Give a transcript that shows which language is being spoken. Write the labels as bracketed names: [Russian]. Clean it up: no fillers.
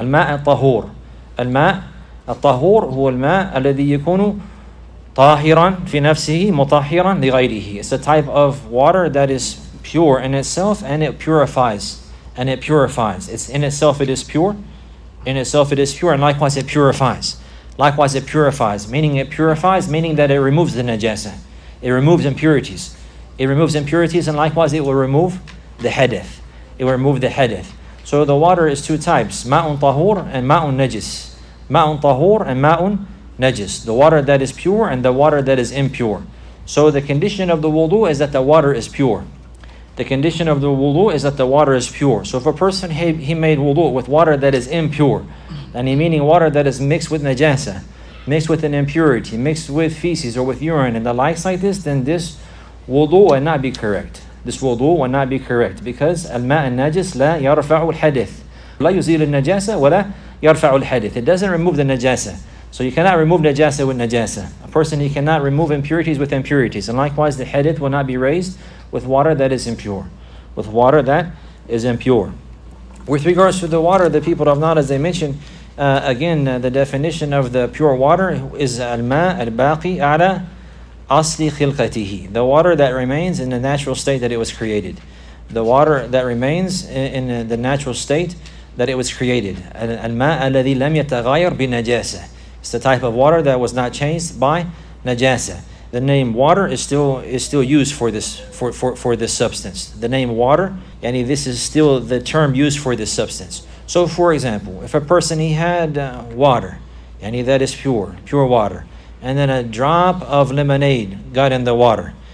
[Arabic] الماء الطهور, الماء الطهور هو الماء الذي يكون طاهرا في نفسه مطهرا لغيره. [English] It's a type of water that is pure in itself and it purifies. And it purifies. It's in itself, it is pure. In itself, it is pure. And likewise, it purifies. Likewise, it purifies. Meaning it purifies, meaning that it removes the najasa. It removes impurities. It removes impurities, and likewise, it will remove the hadith. It will remove the hadith. So the water is two types. Ma'un tahur and ma'un najis. Ma'un tahur and ma'un najis. The water that is pure and the water that is impure. So the condition of the wudu is that the water is pure. The condition of the wudu is that the water is pure. So if a person, he made wudu with water that is impure, and he meaning water that is mixed with najasa, mixed with an impurity, mixed with feces or with urine and the likes like this, then this wudu will not be correct. This wudu will not be correct because [Arabic] الماء النجس لا يرفع الحدث. لا يزيل النجاسة ولا يرفع الحدث. [English] It doesn't remove the najasa. So you cannot remove najasa with najasa. A person, he cannot remove impurities with impurities. And likewise, the hadith will not be raised with water that is impure. With water that is impure. With regards to the water, the people of knowledge, as they mentioned, the definition of the pure water is [Arabic] الماء الباقي على أصل خلقته. [English] The water that remains in the natural state that it was created. The water that remains in the natural state that it was created. [Arabic] الماء الذي لم يتغير بنجاسة. [English] It's the type of water that was not changed by najasa. The name water is still used for this for this substance. The name water, yani this is still the term used for this substance. So for example, if a person he had water, yani that is pure water, and then a drop of lemonade got in the water.